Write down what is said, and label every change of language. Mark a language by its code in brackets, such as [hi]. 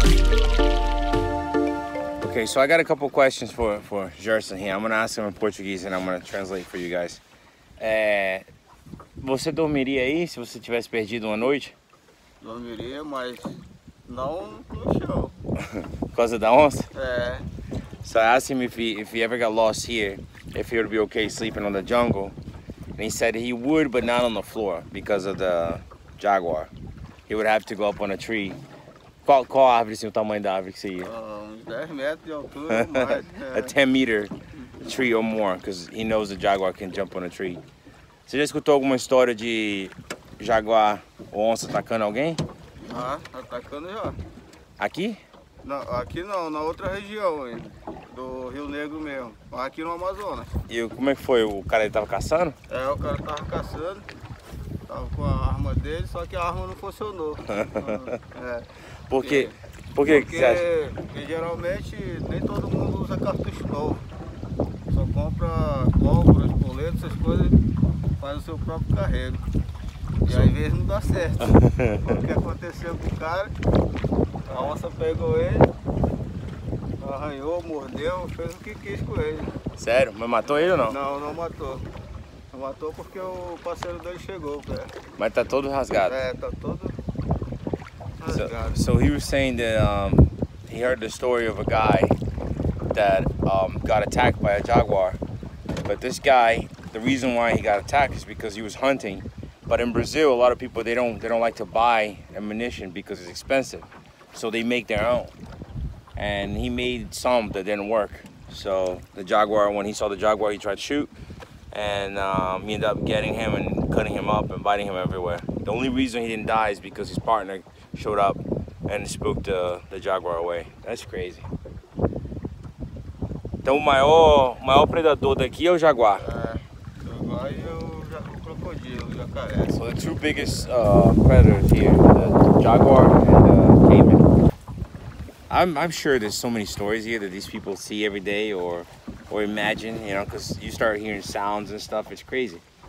[en] Okay, so I got a couple questions for Gerson here. I'm gonna ask him in Portuguese and I'm gonna translate for you guys. [pt] Você dormiria aí se você tivesse perdido uma noite? Dormiria, mas não no chão. Por causa da onça? É. [en] So I asked him if he ever got lost here, if he would be okay sleeping on the jungle. And he said he would, but not on the floor because of the jaguar. He would have to go up on a tree. [pt] Qual árvore, assim, o tamanho da árvore que você ia? 10 metros de altura, mais. [en] A 10 meter tree or more, because he knows the jaguar can jump on a tree. [pt] Você já escutou alguma história de jaguar ou onça atacando alguém? Já, atacando já. Aqui? Não, aqui não, na outra região ainda, do Rio Negro mesmo, aqui no Amazonas. E como é que foi? O cara, ele tava caçando? É, o cara tava caçando, tava com a arma dele, só que a arma não funcionou. Por que você acha? Geralmente nem todo mundo usa cartucho novo. Só compra cobra, espoleto, essas coisas, faz o seu próprio carrego. E às vezes não dá certo. O que aconteceu com o cara, a onça pegou ele, arranhou, mordeu, fez o que quis com ele. Sério? Mas matou ele ou não? Não, não matou. Não matou porque o parceiro dele chegou, cara. Mas tá todo rasgado. É, tá todo. [en] So he was saying that he heard the story of a guy that got attacked by a jaguar. But this guy, the reason why he got attacked is because he was hunting. But in Brazil, a lot of people, they don't like to buy ammunition because it's expensive. So they make their own. And he made some that didn't work. So the jaguar, when he saw the jaguar, he tried to shoot. And he ended up getting him and cutting him up and biting him everywhere. The only reason he didn't die is because his partner showed up and spooked the jaguar away. That's crazy. [pt] Então o maior predador daqui é o jaguar. É, jaguar e o crocodilo, o jacaré. [en] So the two biggest predators here, the jaguar and the caiman. I'm sure there's so many stories here that these people see every day or imagine, you know, because you start hearing sounds and stuff, it's crazy.